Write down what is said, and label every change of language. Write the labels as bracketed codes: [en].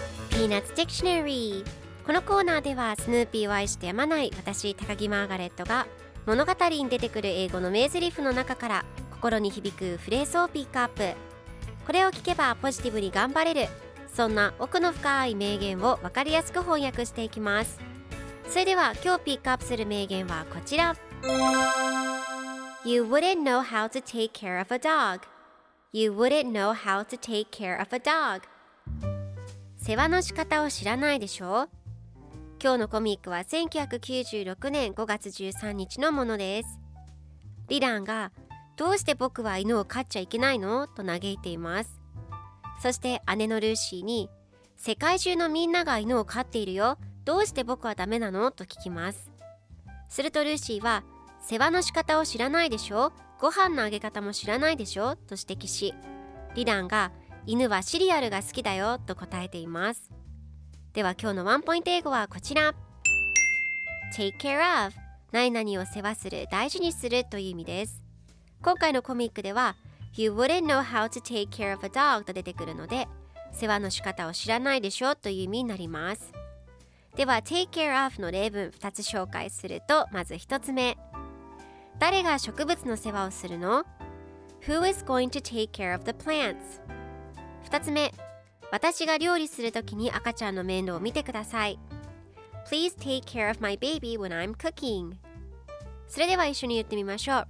[ja] ピーナッツ・ディクショナリー。このコーナーではスヌーピーを愛してやまない私、高木マーガレットが物語に出てくる英語の名ゼリフの中から心に響くフレーズをピックアップ。これを聞けばポジティブに頑張れる。そんな奥の深い名言を分かりやすく翻訳していきます。それでは今日ピックアップする名言はこちら。 [en] You wouldn't know how to take care of a dog. You wouldn't know how to take care of a dog. [ja] 世話の仕方を知らないでしょう。今日のコミックは1996年5月13日のものです。リランがどうして僕は犬を飼っちゃいけないのと嘆いています。そして姉のルーシーに、世界中のみんなが犬を飼っているよ、どうして僕はダメなのと聞きます。するとルーシーは、世話の仕方を知らないでしょ、ご飯のあげ方も知らないでしょと指摘し、リランが犬はシリアルが好きだよと答えています。では今日のワンポイント英語はこちら。Take care of、 何々を世話する、大事にするという意味です。今回のコミックでは [en] You wouldn't know how to take care of a dog [ja] と出てくるので、世話の仕方を知らないでしょという意味になります。では Take care of の例文2つ紹介すると、まず1つ目、誰が植物の世話をするの。 [en] Who is going to take care of the plants。 [ja] 2つ目、私が料理するときに赤ちゃんの面倒を見てください。 [en] Please take care of my baby when I'm cooking。 [ja] それでは一緒に言ってみましょう。